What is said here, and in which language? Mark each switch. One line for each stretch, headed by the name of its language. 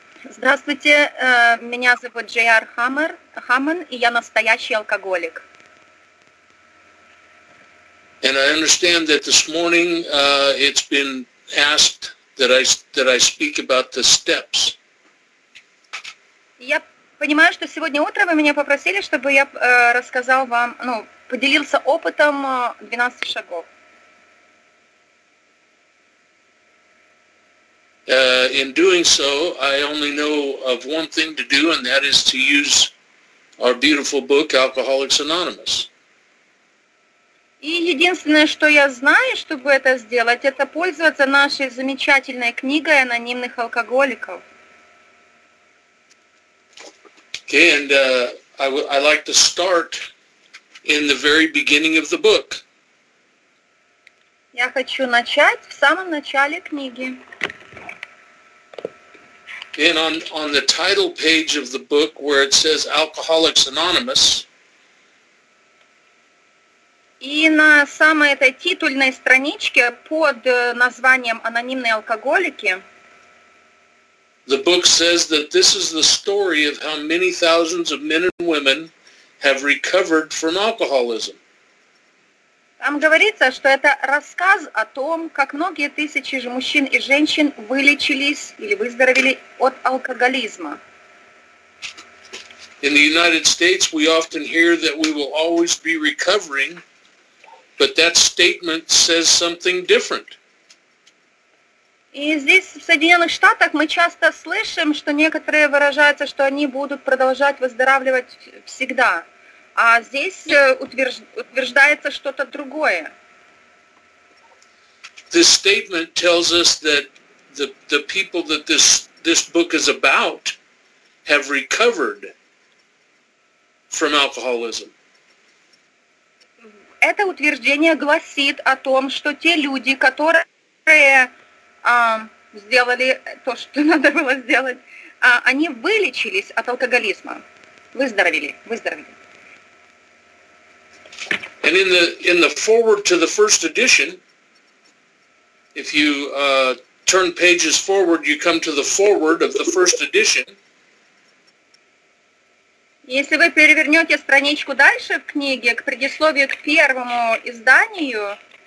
Russian: Здравствуйте, меня зовут J.R. Хаммон, и я настоящий алкоголик.
English: And I understand that this morning it's been asked that I speak about the steps.
Russian: Я понимаю, что сегодня утром вы меня попросили, чтобы я рассказал вам, ну, поделился опытом 12 шагов.
English: In doing so, I only know of one thing to do, and that is to use our beautiful book, Alcoholics Anonymous.
Russian: И единственное, что я знаю, чтобы это сделать, это пользоваться нашей замечательной книгой анонимных алкоголиков.
English: Okay, and I like to start in the very beginning of the book.
Russian: Я хочу начать в самом начале книги.
English: And on the title page of the book, where it says Alcoholics Anonymous.
Russian: И на самой этой титульной страничке под названием «Анонимные алкоголики».
English: The book says that this is the story of how many thousands of men and women have recovered from alcoholism.
Russian: Там говорится, что это рассказ о том, как многие тысячи же мужчин и женщин вылечились или выздоровели от алкоголизма.
English: In the United States we often hear that we will always be recovering, but that statement says something different.
Russian: И здесь, в Соединенных Штатах, мы часто слышим, что некоторые выражаются, что они будут продолжать выздоравливать всегда. А здесь утверждается что-то другое.
English: This statement tells us that the people that this book is about have recovered from alcoholism.
Russian: Это утверждение гласит о том, что те люди, которые сделали то, что надо было сделать, они вылечились от алкоголизма, выздоровели.
English: And in the foreword to the first edition, if you turn pages forward, you come to the foreword of the first edition.
Russian: Если вы перевернете страничку дальше в книге, к предисловию к первому изданию.